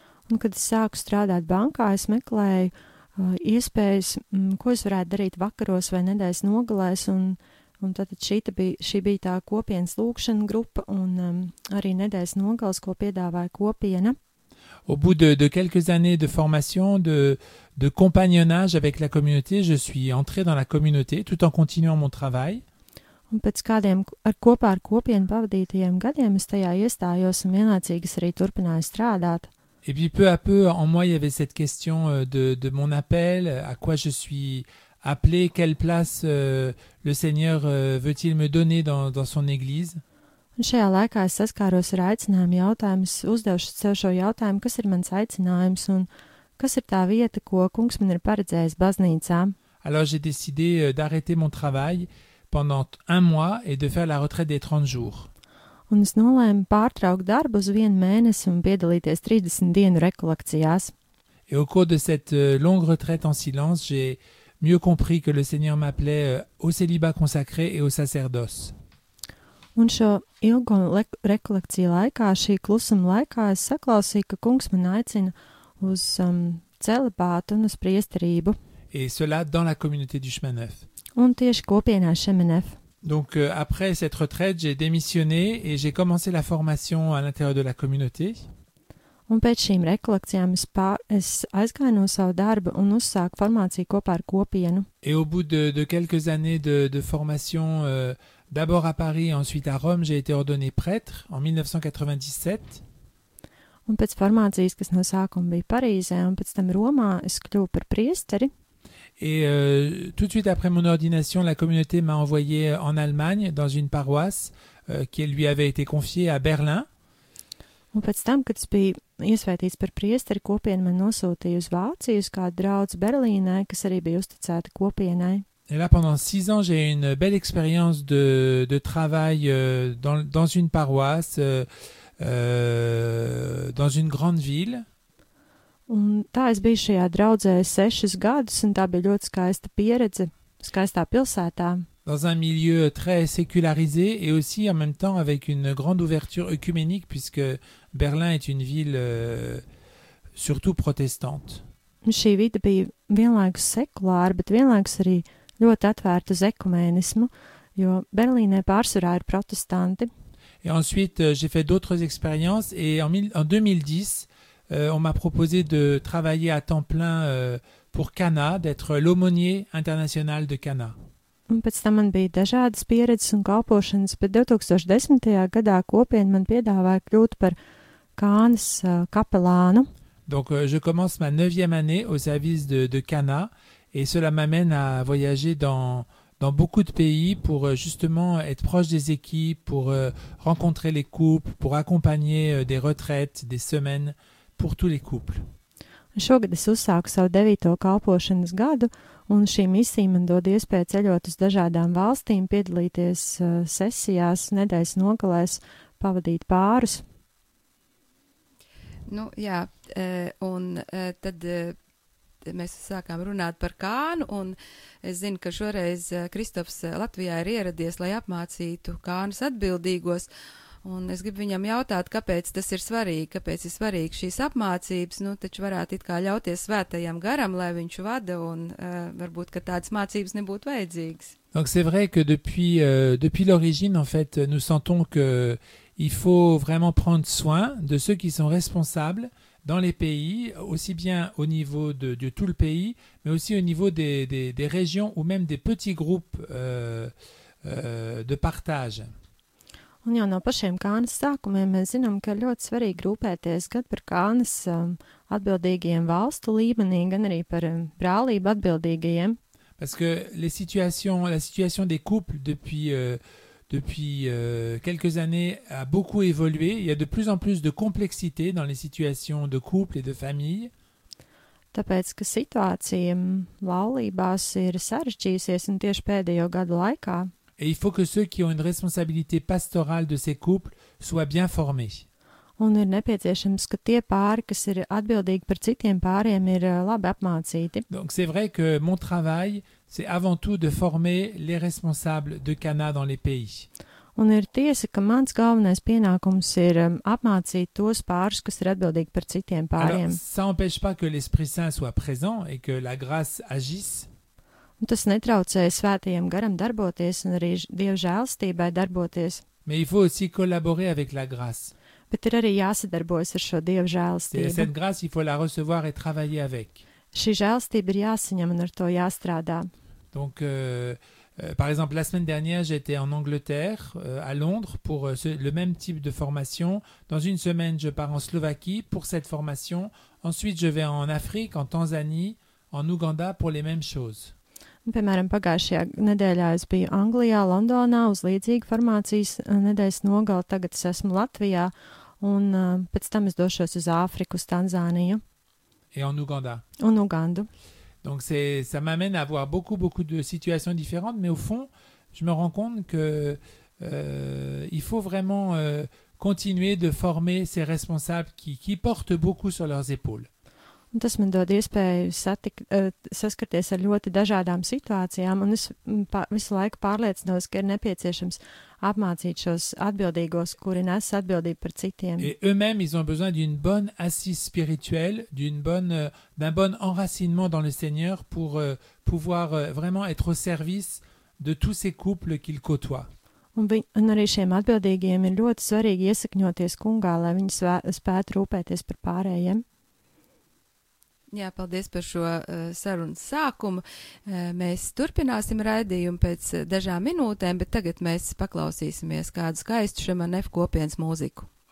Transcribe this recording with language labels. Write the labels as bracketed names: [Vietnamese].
[Latvian] Un, kad es sāku strādāt bankā, es meklēju iespējas, ko es varētu darīt vakaros vai nedēļas nogalēs, un tātad šī bija tā kopienas lūkšana grupa, un arī nedēļas nogalēs, ko piedāvāja kopiena. [French] Au bout de quelques années de formation, de compagnonnage avec la communauté, je suis entré dans la communauté tout en continuant mon travail. [Latvian] Un pēc kādiem kopā ar kopienu pavadītajiem gadiem es tajā iestājos un vienlaicīgi arī turpināju strādāt. [French] Et puis peu à peu, en moi, il y avait cette question de mon appel, à quoi je suis appelé, quelle place le Seigneur veut-il me donner dans son Église. [Latvian] Un šajā laikā es saskāros ar aicinājumu jautājumu, uzdevuši sev šo jautājumu, kas ir mans aicinājums un kas ir tā vieta, ko kungs man ir paredzējis baznīcā. [French] Alors j'ai décidé d'arrêter mon travail pendant un mois et de faire la retraite des 30 jours. [Latvian] Un es nolēmu pārtraukt darbu uz vienu mēnesi un piedalīties 30 dienu rekolekcijās. [French] Et au cours de cette longue retraite en silence, j'ai mieux compris que le Seigneur m'appelait au célibat consacré et au sacerdoce. [Latvian] Un šo ilgo rekolekciju laikā, šī klusuma laikā, es saklausīju, ka kungs man aicina uz celibātu un uz priesterību. [French] Et cela dans la communauté du chemin neuf. [Latvian] Un tieši kopienā Chemin Neuf. [French] Donc après cette retraite, j'ai démissionné et j'ai commencé la formation à l'intérieur de la communauté. [Latvian] Un pēc šīm rekolekcijām es aizgāju no savu darbu un uzsāku formāciju kopā ar kopienu. [French] Et au bout de quelques années de formation, d'abord à Paris, ensuite à Rome, j'ai été ordonné prêtre en 1997. [Latvian] Un pēc formācijas, kas no sākuma bija Parīzē, un pēc tam Romā, es kļuvu par priesteri. [French] Et tout de suite après mon ordination, la communauté m'a envoyé en Allemagne dans une paroisse qui lui avait été confiée à Berlin. [Latvian] Un pēc tam, kad es biju iesvētīts par priesteri, kopiena man nosūtīja uz Vāciju, uz kādu draudzi Berlīnē, kas arī bija uzticēta kopienai. [French] Et là, pendant 6 ans, j'ai une belle expérience de travail dans une paroisse, dans une grande ville. [Latvian] Un tā es biju šajā draudzē 6 gadus, un tā bija ļoti skaista pieredze, skaistā pilsētā. [French] Dans un milieu très sécularisé et aussi en même temps avec une grande ouverture œcuménique, puisque Berlin est une ville surtout protestante. [Latvian] Šī vide bija vienlaikus sekulāra, bet vienlaikus arī ļoti atvērta uz ekumenismu, jo Berlīnē pārsvarā ir protestanti. [French] Et ensuite, j'ai fait d'autres expériences et en 2010, on m'a proposé de travailler à temps plein pour Cana, d'être l'aumônier international de Cana. [Latvian] Un pēc tam man bija dažādas pieredzes un kalpošanas, bet 2010. Gadā kopien man piedāvāja kļūt par Kānas kapelānu. [French] Donc je commence ma 9e année au service de Cana. Et cela m'amène à voyager dans beaucoup de pays pour justement être proche des équipes, pour rencontrer les couples, pour accompagner des retraites, des semaines pour tous les couples. [Latvian] Šogad es uzsāku savu 9. Kalpošanas gadu, un šī misija man dod iespēju ceļot uz dažādām valstīm, piedalīties sesijās, nedēļas nogalēs, pavadīt pārus. Nu, jā, un tad... Mēs sākām runāt par Kānu, un es zinu, ka šoreiz Kristofs Latvijā ir ieradies, lai apmācītu Kānas atbildīgos, un es gribu viņam jautāt, kāpēc tas ir svarīgi, kāpēc ir svarīgi šīs apmācības, nu, taču varētu it kā ļauties svētajam garam, lai viņš vada, un varbūt, ka tādas mācības nebūtu vajadzīgas. [French] Donc c'est vrai que depuis l'origine, en fait, nous sentons que il faut vraiment prendre soin de ceux qui sont responsables, dans les pays, aussi bien au niveau de tout le pays, mais aussi au niveau des régions ou même des petits groupes de partage. [Latvian] Un jau no pašiem Kānas sākumiem mēs zinām, ka ļoti svarīgi rūpēties gan par Kānas atbildīgajiem valstu līmenī, gan arī par brālību atbildīgajiem. [French] Parce que la situation des couples depuis quelques années a beaucoup évolué, il y a de plus en plus de complexité dans les situations de couple et de famille. [Latvian] Tāpēc, ka situācija laulībās ir sarežģījusies un tieši pēdējo gadu laikā. [French] Et il faut que ceux qui ont une responsabilité pastorale de ces couples soient bien formés. [Latvian] Un ir nepieciešams, ka tie pāri, kas ir atbildīgi par citiem pāriem, ir labi apmācīti. [French] Donc c'est vrai que mon travail c'est avant tout de former les responsables de Cana dans les pays. [Latvian] Un ir tiesa, ka mans galvenais pienākums ir apmācīt tos pārus, kas ir atbildīgi par citiem pāriem. [French] Alors, ça empêche pas que l'Esprit Saint soit présent et que la grâce agisse. [Latvian] Un tas netraucē svētajiem garam darboties un arī Dieva žēlstībai darboties. [French] Mais il faut aussi collaborer avec la grâce. [Latvian] Bet ir arī jāsadarbojas ar šo Dieva žēlstību. [French] Et cette grâce, il faut la recevoir et travailler avec. [Latvian] Šī žēlstība ir jāsaņem un ar to jāstrādā. [French] Donc, par exemple, la semaine dernière, j'étais en Angleterre, à Londres, pour le même type de formation. Dans une semaine, je pars en Slovaquie pour cette formation. Ensuite, je vais en Afrique, en Tanzanie, en Ouganda, pour les mêmes choses. [Latvian] Piemēram, pagājušajā nedēļā es biju Anglijā, Londonā, uz līdzīgu formācijas nedēļas nogali. Tagad es esmu Latvijā, un pēc tam es došos uz Āfriku, uz Tanzāniju. [French] Et en Ouganda. En Ouganda. Donc ça m'amène à voir beaucoup de situations différentes, mais au fond, je me rends compte que il faut vraiment continuer de former ces responsables qui portent beaucoup sur leurs épaules. [Latvian] Un tas man dod iespēju saskarties ar ļoti dažādām situācijām, un es visu laiku pārliecinos, ka ir nepieciešams apmācīt šos atbildīgos, kuri nes atbildību par citiem. [French] Et eux-mêmes, ils ont besoin d'une bonne assise spirituelle, d'un bon enracinement dans le Seigneur pour pouvoir vraiment être au service de tous ces couples qu'ils côtoient. [Latvian] Un arī šiem atbildīgiem ir ļoti svarīgi iesakņoties kungā, lai viņi spētu rūpēties par pārējiem. Jā, paldies par šo sarunas sākumu. Mēs turpināsim raidījumu pēc dažām minūtēm, bet tagad mēs paklausīsimies kādu skaistu šeman F kopienas mūziku.